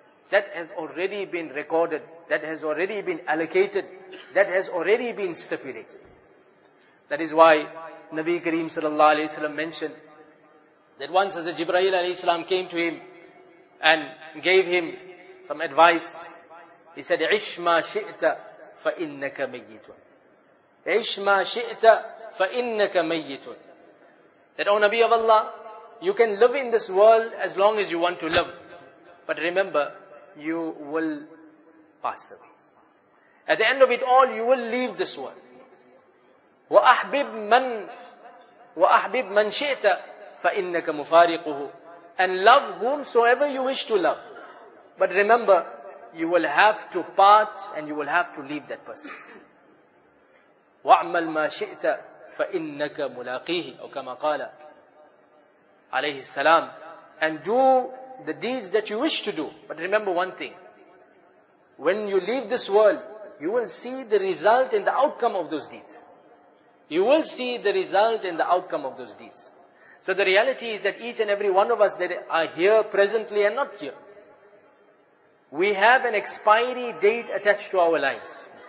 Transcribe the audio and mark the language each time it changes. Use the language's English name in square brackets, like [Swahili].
[English] That has already been recorded, that has already been allocated, that has already been stipulated. That is why Nabi Kareem sallallahu alayhi wa sallam mentioned that once Hazrat Jibreel alayhi salam came to him and gave him some advice. He said, [Arabic] عِشْ مَا شِئْتَ فَإِنَّكَ مَيِّتٌ. عِشْ مَا شِئْتَ فَإِنَّكَ مَيِّتٌ. [English] That, O Nabi of Allah, you can live in this world as long as you want to live. But remember, you will pass away. At the end of it all, you will leave this world. [Arabic] وَأَحْبِبْ مَنْ شِئْتَ فَإِنَّكَ مُفَارِقُهُ. [English] And love whomsoever you wish to love. But remember, you will have to part and you will have to leave that person. [Arabic] وَأَعْمَلْ مَا شِئْتَ فَإِنَّكَ مُلَاقِيهِ. [English] Or [Arabic] كَمَا قَالَ عَلَيْهِ السَّلَامِ. [English] And do the deeds that you wish to do. But remember one thing. When you leave this world, you will see the result and the outcome of those deeds. You will see the result and the outcome of those deeds. So the reality is that each and every one of us that are here presently and not here, we have an expiry date attached to our lives.